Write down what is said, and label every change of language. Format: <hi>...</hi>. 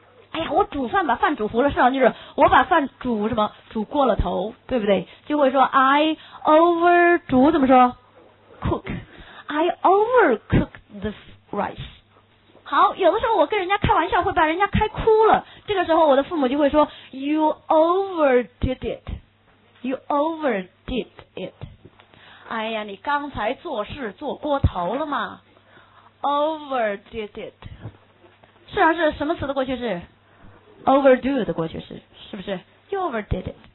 <zh>哎呀，我煮饭把饭煮糊了，实际上就是我把饭煮什么？煮过了头，对不对？就会说</zh> <en>I over</en> <zh>煮怎么说</zh> <en>？Cook， I over cook this rice。</en> <zh>好，有的时候我跟人家开玩笑会把人家开哭了，这个时候我的父母就会说</zh> <en>You overdid it， You overdid it。</en> <zh>哎呀，你刚才做事做过头了嘛？ Overdid it， 实际上是什么词的过去式 ？Overdo 的过去式，是不是 ？</zh> <en>You overdid it。</en>